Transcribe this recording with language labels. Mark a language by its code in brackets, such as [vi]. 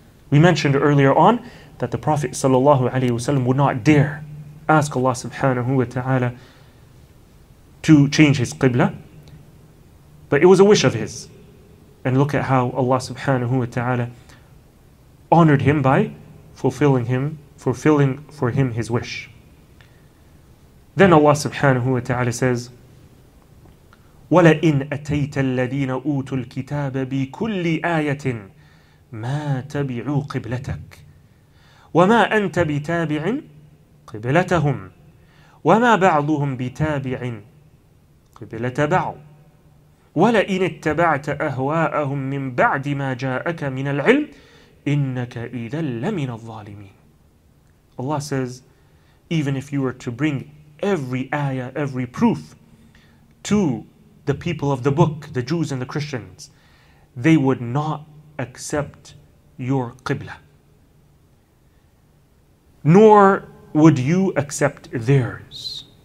[en] We mentioned earlier on that the Prophet sallallahu alayhi wasallam would not dare ask Allah subhanahu wa ta'ala to change his qibla, but it was a wish of his. And look at how Allah subhanahu wa ta'ala honored him by fulfilling for him his wish. Then Allah subhanahu wa ta'ala says, [ar] وَلَئِنْ أَتَيْتَ الَّذِينَ أُوتُوا الْكِتَابَ بِكُلِّ آيَةٍ مَا تَبِعُوا قِبْلَتَكَ وَمَا أَنْتَ بِتَابِعٍ قِبْلَتَهُمْ وَمَا بَعْضُهُمْ بِتَابِعٍ قِبْلَةَ بَعْضٍ وَلَئِنِ اتَّبَعْتَ أَهْوَاءَهُمْ مِنْ بَعْدِ مَا جَاءَكَ مِنَ الْعِلْمِ إِنَّكَ إِذًا لَمِنَ الظَّالِمِينَ. [en] Allah says, even if you were to bring every ayah, every proof to the people of the book, the Jews and the Christians, they would not accept your qibla, nor would you accept theirs.